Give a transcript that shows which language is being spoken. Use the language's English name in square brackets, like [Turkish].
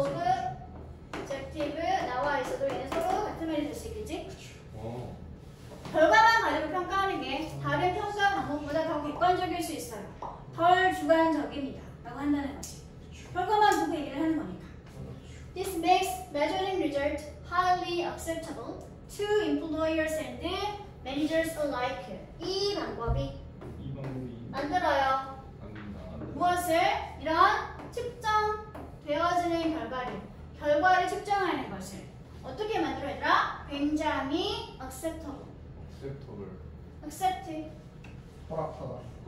[English] of objective [Korean] 나와 있어도 얘는 서로 같은 말이 될 수 있겠지? 그렇죠. 결과만 가지고 평가하는 게 다른 평가 방법보다 더 객관적일 수 있어요. 덜 주관적입니다. 라고 한다는 거지. 결과만 보고 얘기를 하는 거니까. [English] This makes measuring result highly acceptable to employers and managers alike. [Korean] 이 방법이 만들어요. 무엇을 이런 측정되어지는 결과를 측정하는 것을 어떻게 만들어야 되나? 굉장히 [English] acceptable. Accept. [Korean] 허락하다.